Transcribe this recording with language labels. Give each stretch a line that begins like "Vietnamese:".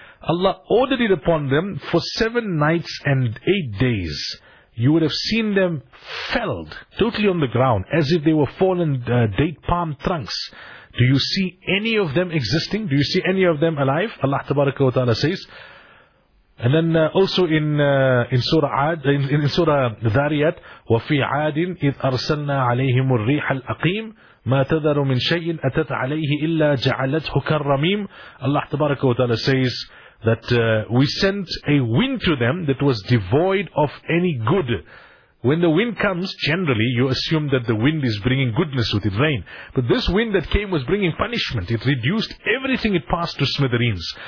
English: Allah ordered it upon them for 7 nights and 8 days. You would have seen them felled, totally on the ground, as if they were fallen date palm trunks. Do you see any of them existing? Do you see any of them alive? Allah Tabaraka wa Ta'ala says. And then also in Surah Ad, in Surah Dhariyat,
Arabic: وَفِي عَادٍ إِذْ أَرْسَلْنَا عَلَيْهِمُ الرِّيحَ الْأَقِيمِ مَا تَذَرُ مِنْ شَيْءٍ أَتَتْ عَلَيْهِ إِلَّا جَعَلَتْهُ كَالرَّمِيمِ.
English: Allah Tabaraka wa Ta'ala says that we sent a wind to them that was devoid of any good. When the wind comes, generally you assume that the wind is bringing goodness with it, rain. But this wind that came was bringing punishment. It reduced everything it passed to smithereens.